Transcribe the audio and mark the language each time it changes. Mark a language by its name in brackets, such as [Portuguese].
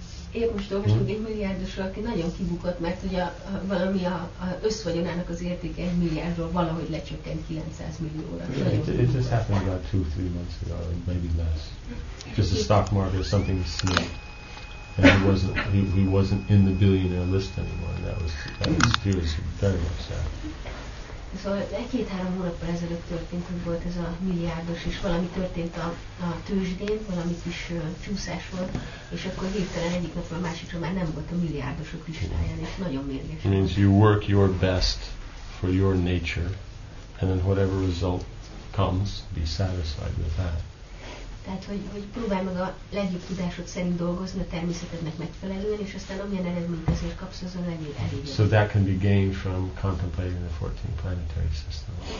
[Hungarian] Épp most olvastunk egy milliárdosról, aki nagyon kibukott, mert ugye valami a összvagyonának az értéke egy milliárdról valahogy lecsökkent 900 millióra. [English] It just happened about 2-3 months ago, maybe less. Just the stock market or something snapped, and he wasn't in the billionaire list anymore. That was very upset. [Hungarian] Szóval egy-két-három hónappal ezelőtt történt, hogy volt ez a milliárdos, és valami történt a tőzsdén, valami kis csúszás volt, és akkor hirtelen egyik napra a másikra már nem volt a milliárdosok listáján, és nagyon mérges. [English] It means you work your best for your nature, and then whatever result comes, be satisfied with that. [Hungarian] Tehát, hogy próbálj meg a legjobb tudásod szerint dolgozni a természetednek megfelelően, és aztán amilyen eredményt azért kapsz, az a legjobb eredmény. [English] So that can be gained from contemplating the 14 planetary system.